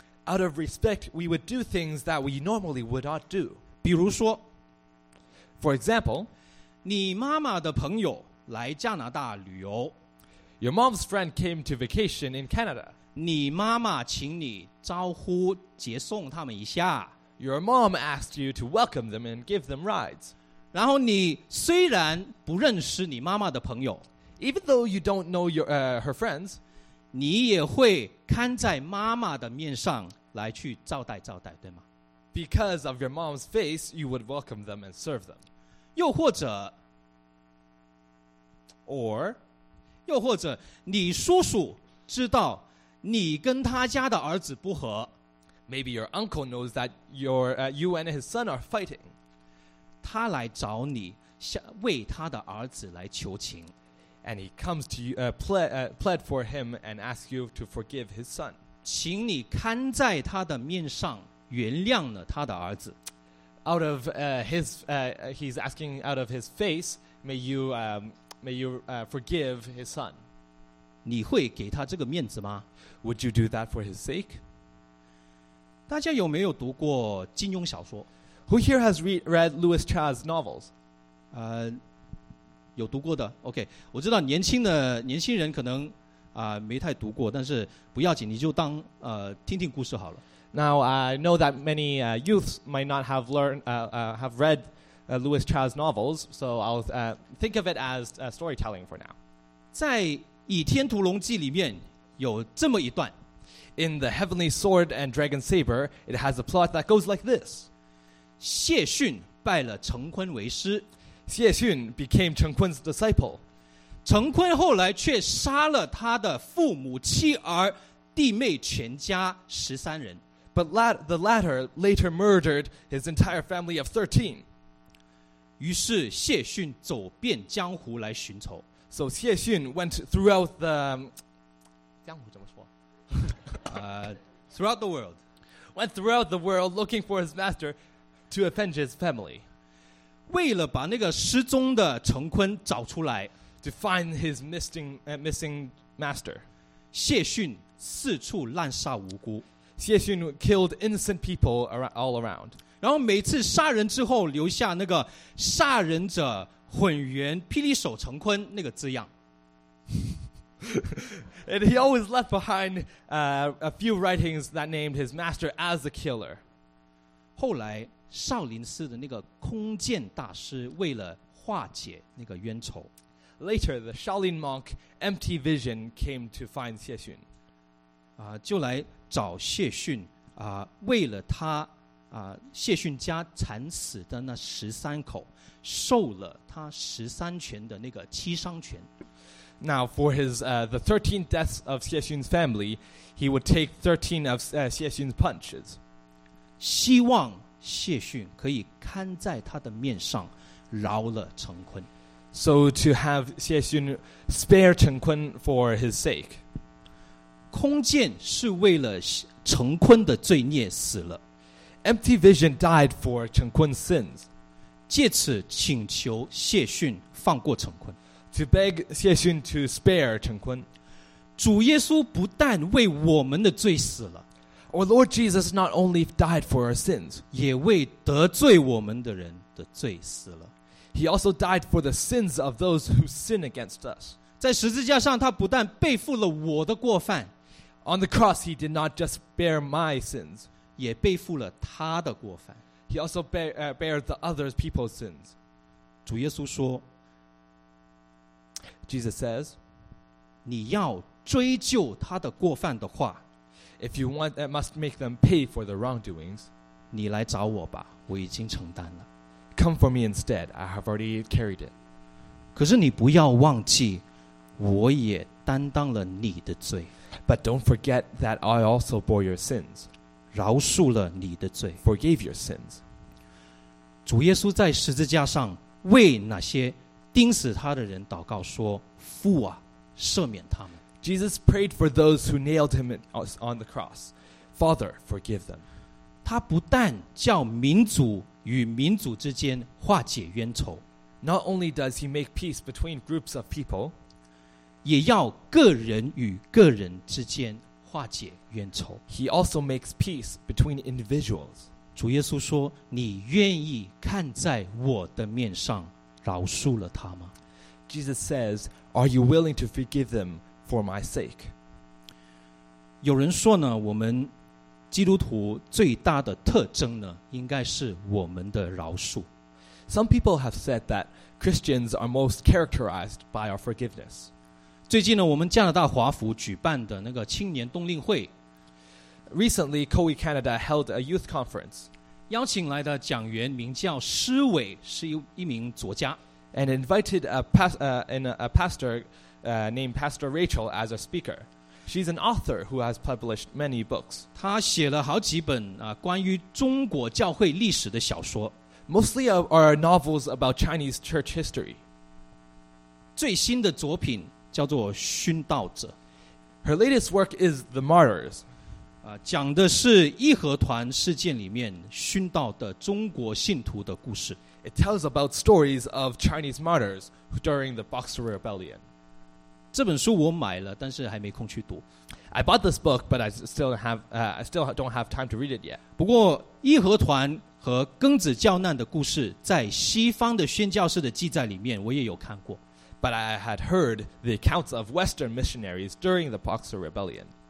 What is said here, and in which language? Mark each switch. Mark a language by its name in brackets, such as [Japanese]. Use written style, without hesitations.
[English] Out of respect, we would do things that we normally would not do. [Chinese] 比如说， [English] For example, [Chinese] 你妈妈的朋友来加拿大旅游， [English] Your mom's friend came to vacation in Canada. [Chinese] 你妈妈请你招呼接送他们一下。 [English] Your mom asked you to welcome them and give them rides. [Chinese] 然后你虽然不认识你妈妈的朋友， [English] Even though you don't know her friends, [Chinese] 你也会看在妈妈的面上来去招待，对吗？ [English] Because of your mom's face, you would welcome them and serve them. [Chinese] 又或者你叔叔知道你跟他家的儿子不和。 [English] Maybe your uncle knows that you and his son are fighting. [Chinese] 他来找你，为他的儿子来求情。 [English] and he comes to you, pled for him and asks you to forgive his son. [Chinese] 请你看在他的面上原谅了他的儿子。 [English] Out of his, he's asking out of his face, may you forgive his son. [Chinese] 你会给他这个面子吗？ [English] Would you do that for his sake? [Chinese] 大家有没有读过金庸小说？ [English] Who here has read Lewis Chia's novels? [Chinese] 有读过的 ，OK， 我知道年轻人可能没太读过，但是不要紧，你就当听听故事好了。 [English] Now I know that many youths might not have read Lewis Chia's novels, so I'll think of it as storytelling for now. [Chinese] 在《倚天屠龙记》里面有这么一段 [English] ，In the Heavenly Sword and Dragon Saber, it has a plot that goes like this: [Chinese] 谢逊拜了陈坤为师。 [English] 谢逊 became 陈坤 's disciple. [Chinese] 陈坤后来却杀了他的父母、妻儿、弟妹全家十三人。 [English] But the latter later murdered his entire family of 13. [Chinese] 于是谢逊走遍江湖来寻仇。 [English] So 谢逊 went throughout the [Chinese] 江湖怎么说？ [English] throughout the world. Went throughout the world looking for his master to avenge his family. [Chinese] 为了把那个失踪的陈坤找出来 [English] ，to find his missing master， [Chinese] 谢逊四处滥杀无辜。 [English] 谢逊 killed innocent people all around。 [Chinese] 然后每次杀人之后留下那个杀人者混元霹雳手陈坤那个字样。 [English] And he always left behind a few writings that named his master as the killer。 [Chinese] 后来。少林寺的那个空剑大师为了化解那个冤仇 [English] ，Later the Shaolin monk Empty Vision came to find 谢逊， [Chinese] 就来找谢逊为了他谢逊家惨死的那十三口受了他十三拳的那个七伤拳。 [English] Now for his the 13 deaths of 谢逊's family, he would take 13 of 谢逊's punches. [Chinese] 希望。谢逊可以看在他的面上饶了陈坤 [English] So to have 谢逊 spare 陈坤 for his sake [Chinese] 空剑是为了陈坤的罪孽死了 [English] Empty Vision died for 陈坤's sins [Chinese] 借此请求谢逊放过陈坤 [English] To beg 谢逊 to spare 陈坤 [Chinese] 主耶稣不但为我们的罪死了 [English] Our Lord Jesus not only died for our sins, [Chinese] 也为得罪我们的人的罪死了。 [English] He also died for the sins of those who sin against us. [Chinese] 在十字架上，他不但背负了我的过犯 [English] ，On the cross, he did not just bear my sins, [Chinese] 也背负了他的过犯。 [English] He also bear the other people's sins. [Chinese] 主耶稣说 [English] ，Jesus says, [Chinese] 你要追究他的过犯的话。 [English] If you want, that must make them pay for their wrongdoings. [Chinese] 你来找我吧，我已经承担了。 [English] Come for me instead. I have already carried it. [Chinese] 可是你不要忘记，我也担当了你的罪。 [English] But don't forget that I also bore your sins. [Chinese] 饶恕了你的罪。 [English] Forgave your sins. [Chinese] 主耶稣在十字架上为那些钉死他的人祷告说：“父啊，赦免他们。” [English] Jesus prayed for those who nailed him on the cross. Father, forgive them. [Chinese] 他不但叫民族与民族之间化解冤仇 [English] Not only does he make peace between groups of people, [Chinese] 也要个人与个人之间化解冤仇 [English] He also makes peace between individuals. [Chinese] 主耶稣说，你愿意看在我的面上饶恕了他吗 [English] Jesus says, are you willing to forgive them? For my sake. [Chinese] 有人说呢，我们基督徒最大的特征呢，应该是我们的饶恕。 [English] Some people have said that Christians are most characterized by our forgiveness. [Chinese] 最近呢，我们加拿大华府举办的那个青年冬令会 [English] ，Recently, COE Canada held a youth conference. [Chinese] 邀请来的讲员名叫施伟，是一名作家 [English] ，and invited a pastor. Named Pastor Rachel as a speaker. She's an author who has published many books. [Chinese] 她写了好几本关于中国教会历史的小说 [English] Mostly are novels about Chinese church history. [Chinese] 最新的作品叫做《殉道者》。 [English] Her latest work is The Martyrs. [Chinese] 讲的是义和团事件里面殉道的中国信徒的故事。 [English] It tells about stories of Chinese martyrs during the Boxer Rebellion. [Chinese] 这本书我买了，但是还没空去读。 [English] I bought this book, but I still don't have time to read it yet. [Chinese] 不过义和团和庚子教难的故事在西方的宣教士的记载里面我也有看过。 [English] But I had heard the accounts of Western missionaries during the Boxer Rebellion.